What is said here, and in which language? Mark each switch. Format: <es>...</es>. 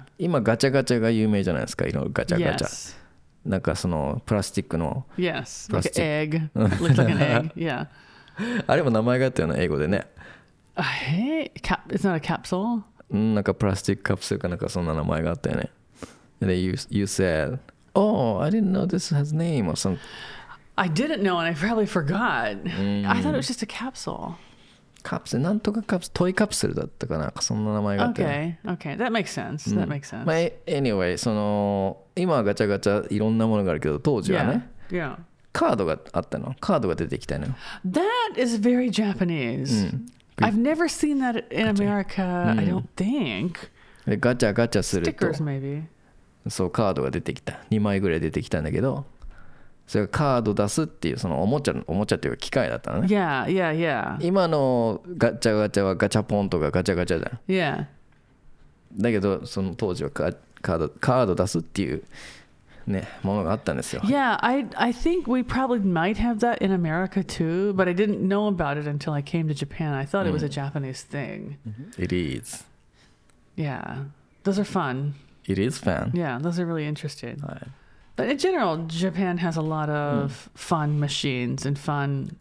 <ja>今ガチャガチャが有名じゃないですか。いろいろガチャガチャ。</ja> <en>Yes.</en> <ja>なんかそのプラスチックの。</ja> <en>Yes. Like an egg. Looks like an egg. Yeah.</en> <ja>あれも名前があったよね、英語でね。</ja> <en>It's not a capsule.</en> <ja>なんかプラスチックカプセルかなんかそんな名前があったよね。</ja> <en>で、you said, oh, I didn't know this has name or some. I didn't know and I probably forgot. I thought it was just a capsule.</en> <ja>カプセル、なんとかカプセル、トイカプセルだったかな、そんな名前があって。</ja> <en>OK, OK, that makes sense, that makes sense.、</en> <ja>まあ、anyway, その、今はガチャガチャいろんなものがあるけど、当時はね、</ja> <en>yeah. Yeah.</en> <ja>カードがあったの、カードが出てきたの。</ja> <en>That is very Japanese.、うん、 I've never seen that in America, I don't think.</en> <ja>ガチャガチャすると、</ja> <en>stickers maybe.</en> <ja>そう、カードが出てきた。2枚ぐらい出てきたんだけど、それがカード出すっていうそのおもちゃっていうか機械だったのね。</ja> <en>Yeah, yeah, yeah.</en> <ja>今のガチャガチャはガチャポンとかガチャガチャじゃん。</ja> <en>Yeah.</en> <ja>だけどその当時はカード出すっていうねものがあったんですよ。</ja> <en>Yeah, I think we probably might have that in America too, but I didn't know about it until I came to Japan. I thought it was a Japanese thing. It is. Yeah, those are fun. It is fun. Yeah, those are really interesting. Hi. But in general, Japan has a lot of fun machines and fun</en>